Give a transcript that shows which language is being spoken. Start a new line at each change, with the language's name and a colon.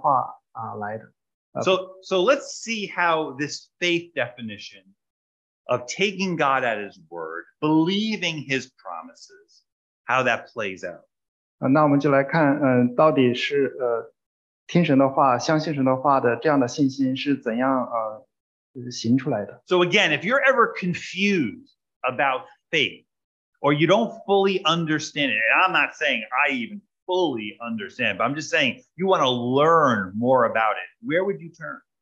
Chinese: 所以圣经上说，人的信心是靠着听神的话来的。
English: So let's see how this faith definition of taking God at his word, believing his promises, how that plays out.
Chinese: 那我们就来看，到底是听神的话、相信神的话的这样的信心是怎样形出来的。
English: So again, if you're ever confused about faith, or you don't fully understand it, and I'm not saying I even fully understand, but I'm just saying you want to learn more about it, where would you turn?